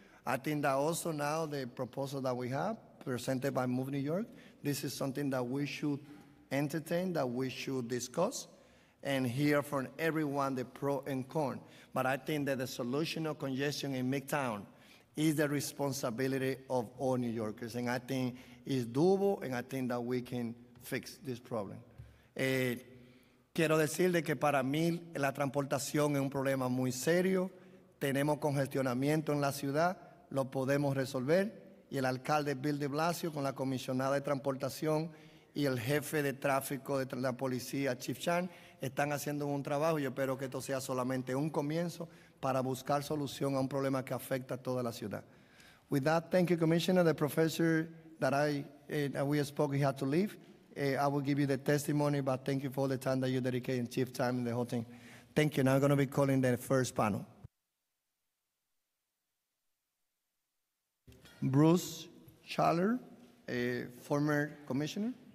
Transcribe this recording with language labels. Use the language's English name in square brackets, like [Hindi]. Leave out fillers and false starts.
[English] I think that also now the proposal that we have presented by Move New York, this is something that we should entertain, that we should discuss, and hear from everyone the pro and con. But I think that the solution of congestion in Midtown is the responsibility of all New Yorkers. And I think it's doable, and I think that we can fix this problem. [Spanish] Quiero decirle que para mí la transportación es un problema muy serio. Tenemos congestionamiento en la ciudad, lo podemos resolver. Y el alcalde Bill de Blasio con la comisionada de transportación y el jefe de tráfico de la policía, Chief Chan, están haciendo un trabajo. Yo espero que esto sea solamente un comienzo para buscar solución a un problema que afecta a toda la ciudad. [English] With that, thank you, Commissioner. The professor that we spoke, he had to leave. I will give you the testimony, but thank you for all the time that you dedicated in chief time in the whole thing. Thank you. Now I'm going to be calling the first panel. Bruce Schaller, a former commissioner.